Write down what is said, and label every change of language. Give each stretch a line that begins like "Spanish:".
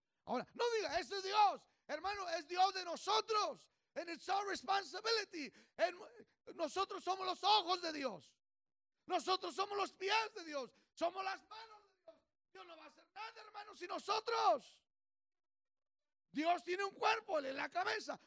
Spanish: Ahora, no diga, ese es Dios. Hermano, es Dios de nosotros.
English: And it's our responsibility.
Spanish: Nosotros somos los ojos de Dios. Nosotros somos los pies de Dios. Somos las manos de Dios. Dios no va a hacer nada, hermano, sin nosotros. Dios tiene un cuerpo en la cabeza.